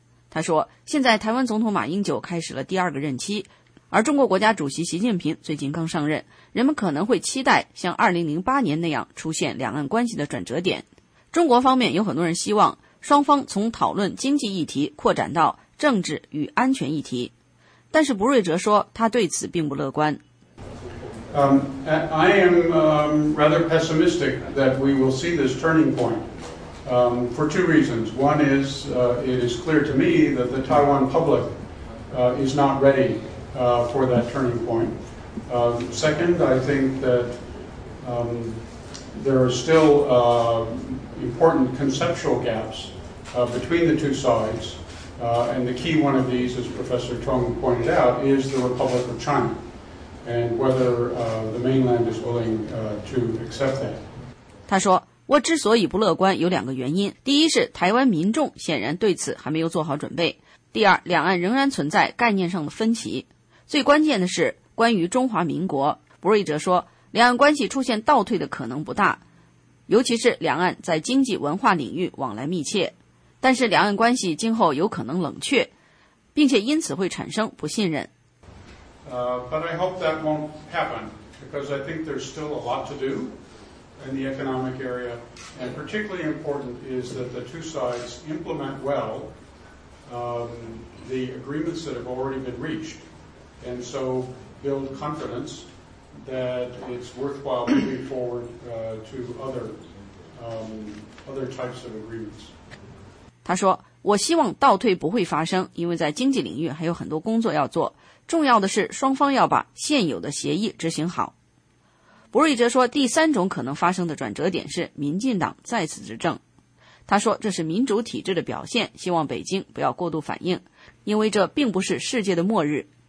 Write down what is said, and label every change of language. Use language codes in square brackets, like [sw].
[zh] 他说，现在台湾总统马英九开始了第二个任期，而中国国家主席习近平最近刚上任，人们可能会期待像2008年那样出现两岸关系的转折点。中国方面有很多人希望双方从讨论经济议题扩展到政治与安全议题，但是博瑞哲说他对此并不乐观。 [en] I am rather pessimistic that we will see this turning point. For two reasons. One is, it is clear to me that the Taiwan public, is not ready, for that turning point. Second, I think that, there are still, important conceptual gaps, between the two sides, and the key one of these, as Professor Tong pointed out, is the Republic of China, and whether, the mainland is willing, to accept that. [zh] 他说，我之所以不乐观有两个原因，第一是台湾民众显然对此还没有做好准备，第二，两岸仍然存在概念上的分歧。最关键的是关于中华民国，博瑞哲说，两岸关系出现倒退的可能不大，尤其是两岸在经济文化领域往来密切，但是两岸关系今后有可能冷却，并且因此会产生不信任。 [en] But I hope that won't happen, because I think there's still a lot to doin the economic area, and particularly important is that the two sides implement well, the agreements that have already been reached, and so build confidence that it's worthwhile moving forward, to other, other types of agreements. [zh] 他说，我希望倒退不会发生，因为在经济领域还有很多工作要做，重要的是双方要把现有的协议执行好。博瑞哲说，第三种可能发生的转折点是民进党再次执政。他说，这是民主体制的表现，希望北京不要过度反应，因为这并不是世界的末日。